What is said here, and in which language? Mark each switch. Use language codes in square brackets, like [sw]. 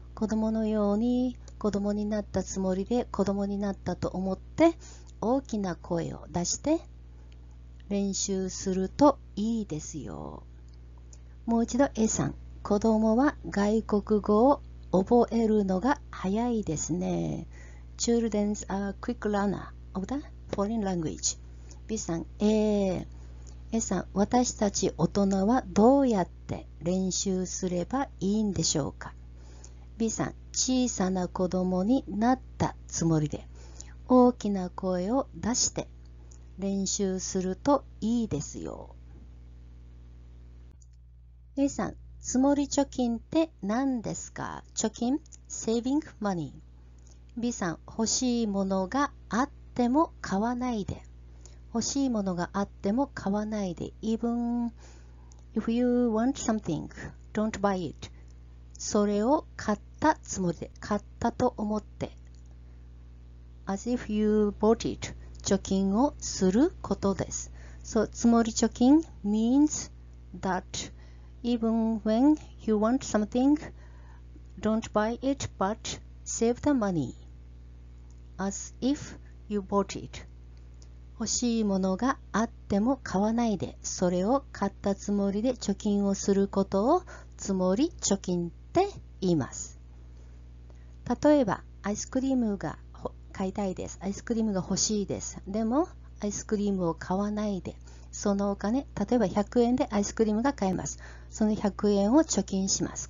[ja] 子供のように子供になったつもりで、子供になったと思って大きな声を出して練習するといいですよ。もう一度 A さん、子供は外国語を覚えるのが早いですね。 [en] children are quick learner of the foreign language. [ja] B さん、A さん、私たち大人はどうやって練習すればいいんでしょうか。 B さん、小さな子供になったつもりで大きな声を出して練習するといいですよ。 A さん、つもり貯金って何ですか。貯金、 [en] saving money。 [ja] B さん、欲しいものがあっても買わないで、欲しいものがあっても買わないで、 [en] even if you want something, don't buy it。 [ja] それを買ったつもりで、買ったと思って、 [en] as if you bought it、 [ja] 貯金をすることです。 [en] so つもり貯金 means that even when you want something, don't buy it, but save the money as if you bought it。 [ja] 欲しいものがあっても買わないで、それを買ったつもりで貯金をすることをつもり貯金って言います。例えばアイスクリームが買いたいです、アイスクリームが欲しいです、でもアイスクリームを買わないで、そのお金、例えば100円でアイスクリームが買えます、その100円を貯金します。